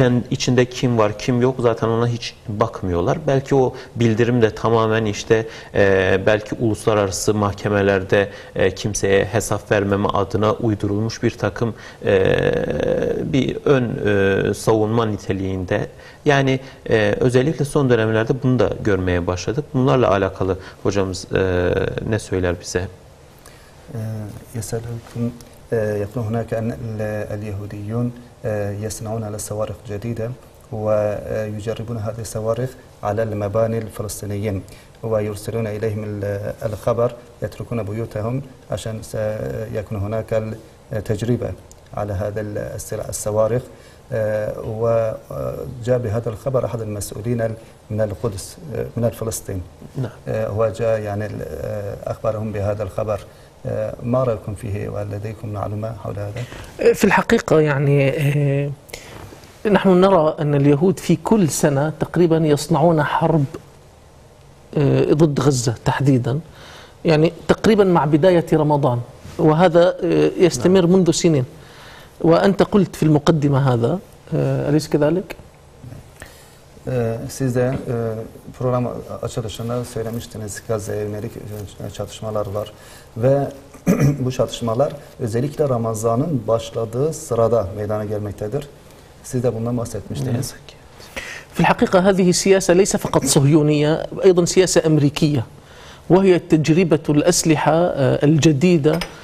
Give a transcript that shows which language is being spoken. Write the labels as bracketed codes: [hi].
[tr] İçinde kim var kim yok zaten ona hiç bakmıyorlar. Belki o bildirim de tamamen işte belki uluslararası mahkemelerde kimseye hesap vermeme adına uydurulmuş bir takım bir ön savunma niteliğinde. Yani özellikle son dönemlerde bunu da görmeye başladık. Bunlarla alakalı hocamız ne söyler bize? [ar] Yeselüküm يقول هناك أن اليهوديون يصنعون على الصواريخ جديدة ويجربون هذه الصواريخ على المباني الفلسطينيين ويرسلون إليهم الخبر يتركون بيوتهم عشان سيكون هناك تجربة على هذا الصواريخ وجاء بهذا الخبر أحد المسؤولين من القدس من فلسطين هو جاء يعني أخبرهم بهذا الخبر ما رأيكم فيه ولديكم معلومة حول هذا؟ في الحقيقة يعني نحن نرى أن اليهود في كل سنة تقريبا يصنعون حرب ضد غزة تحديدا، يعني تقريبا مع بداية رمضان، وهذا يستمر منذ سنين، وأنت قلت في المقدمة هذا، أليس كذلك؟ [tr] Siz de program açılışında söylemiştiniz, Gazze'ye yönelik çatışmalar var ve bu çatışmalar özellikle Ramazan'ın başladığı sırada meydana gelmektedir. Siz de bundan bahsetmiştiniz. [ar] في الحقيقة هذه السياسة ليس فقط صهيونية، أيضا سياسة أمريكية، وهي تجربة الأسلحة الجديدة.